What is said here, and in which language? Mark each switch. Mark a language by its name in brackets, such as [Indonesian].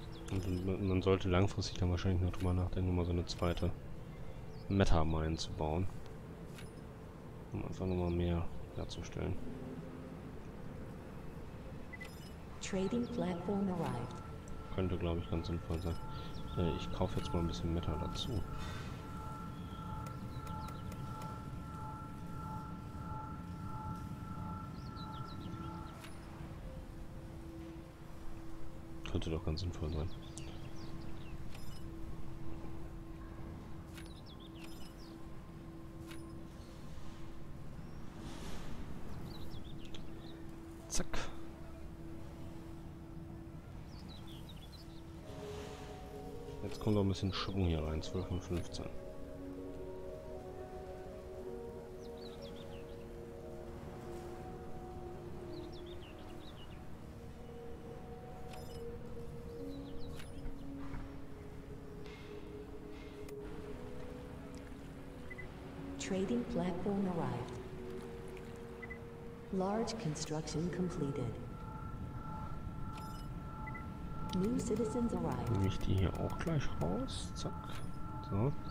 [German] Und man sollte langfristig dann wahrscheinlich noch drüber nachdenken, mal so eine zweite Meta-Mine zu bauen. Um einfach nochmal mehr herzustellen. [English] Trading platform arrived. [German] Könnte, glaube ich, ganz sinnvoll sein. Ich kaufe jetzt mal ein bisschen Meta dazu. Könnte doch ganz sinnvoll sein. Kommt noch ein bisschen Schwung hier rein, 12 und 15. [English] Trading platform arrived. Large construction completed. [German] Nehme ich die hier auch gleich raus. Zack. So.